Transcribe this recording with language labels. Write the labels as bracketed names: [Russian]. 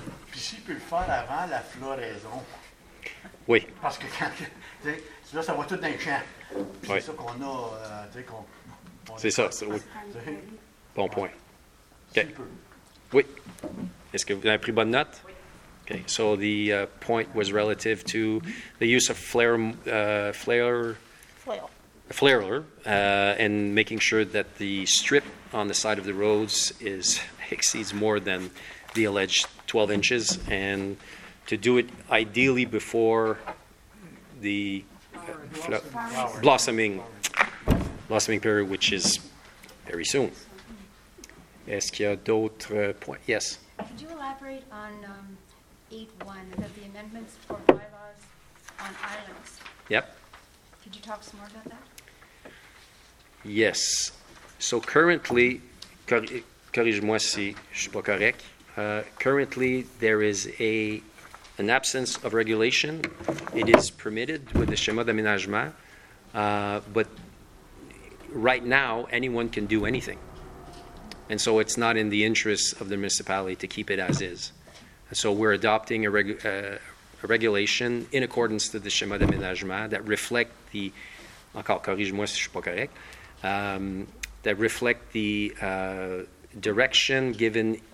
[French] Puis s'il peut le faire avant la floraison. Oui. Parce que quand... Là, ça va tout dans les champs. Oui. C'est ça qu'on a, tu sais, qu'on... C'est ça, c'est... Oui. Bon point. Okay. Super. Oui. Est-ce que vous avez pris bonne note? Oui. Okay. [English] So the point was relative to the use of flailer, and making sure that the strip on the side of the roads exceeds more than the alleged 12 inches, and to do it ideally before the... Blossoming period, which is very soon. [French] Est-ce qu'il y a d'autres points? Yes. [English] Could you elaborate on 8.1, that the amendments for bylaws on islands? Yep. Could you talk some more about that? Yes. So currently, [French] corrige-moi si je suis pas correct. [English] Currently, there is an absence of regulation. It is permitted with the schéma d'aménagement, but right now anyone can do anything, and so it's not in the interest of the municipality to keep it as is. And so we're adopting a regulation in accordance to the schéma d'aménagement that reflect the [French] encore corrige-moi si je suis pas correct [English] that reflect the direction given